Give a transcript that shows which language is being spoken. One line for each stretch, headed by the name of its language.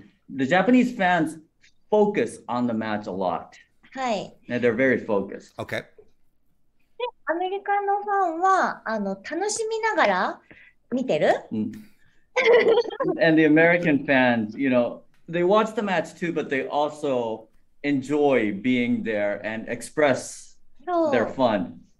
English: The Japanese fans focus on the match a lot.
Japanese: はい。
English: And they're very focused. Okay.
Japanese: アメリカのファンは、あの、楽しみながら見てる?
English: And the American fans, you know,They watch the match too, but they also enjoy being there and express their fun.